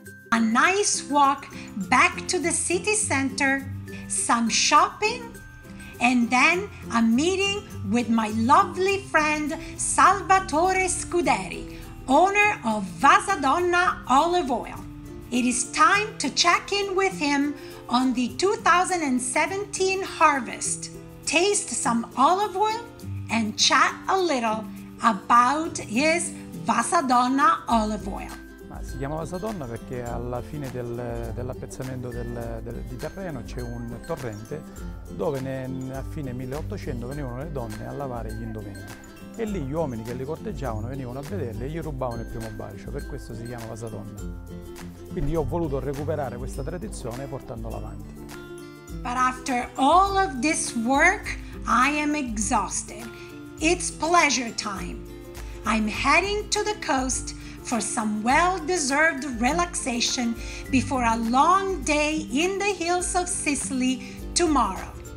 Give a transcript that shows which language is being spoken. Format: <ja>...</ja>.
<en>A nice walk back to the city center, some shopping, and then a meeting with my lovely friend Salvatore Scuderi, owner of Vasa Donna Olive Oil. It is time to check in with him on the 2017 harvest, taste some olive oil, and chat a little about his Vasa Donna Olive Oil.</en> <it>Si chiama Vasa Donna perché alla fine dell'appezzamento di terreno c'è un torrente dove a fine 1800 venivano le donne a lavare gli indumenti e lì gli uomini che le corteggiavano venivano a vederle e gli rubavano il primo bacio, per questo si chiama Vasa Donna. Quindi io ho voluto recuperare questa tradizione portandola avanti.</it> <en>But after all of this work, I am exhausted. It's pleasure time. I'm heading to the coast for some well-deserved relaxation before a long day in the hills of Sicily tomorrow.</en>